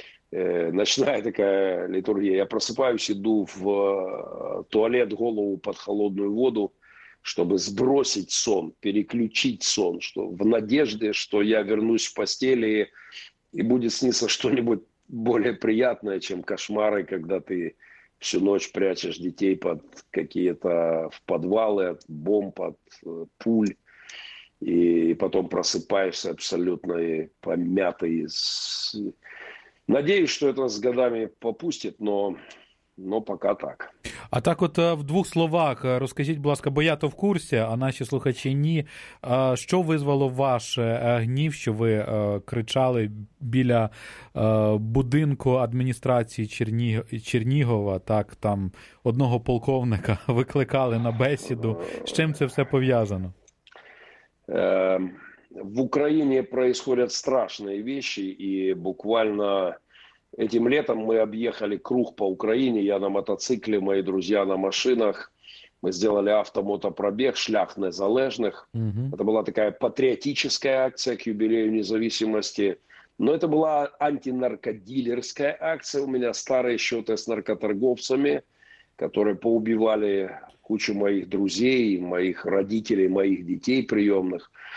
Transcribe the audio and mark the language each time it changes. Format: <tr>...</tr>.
<ru>Ночная такая литургия. Я просыпаюсь, иду в туалет, голову под холодную воду, чтобы сбросить сон, переключить сон, что в надежде, что я вернусь в постели и будет сниться что-нибудь более приятное, чем кошмары, когда ты всю ночь прячешь детей под какие-то в подвалы от бомб, от пуль, и потом просыпаешься абсолютно помятый. Надеюсь, что это с годами попустит, но пока так.</ru> <uk>А так от в двох словах розкажіть, будь ласка, бо я то в курсі, а наші слухачі ні. Що визвало ваш гнів, що ви кричали біля будинку адміністрації Чернігова, так, там одного полковника викликали на бесіду. З чим це все пов'язано? В Україні відбуваються страшні речі, і буквально</uk> <ru>этим летом мы объехали круг по Украине. Я на мотоцикле, мои друзья на машинах. Мы сделали автомотопробег «Шлях незалежних». Это была такая патриотическая акция к юбилею независимости. Но это была антинаркодилерская акция. У меня старые счеты с наркоторговцами, которые поубивали кучу моих друзей, моих родителей, моих детей приемных.</ru>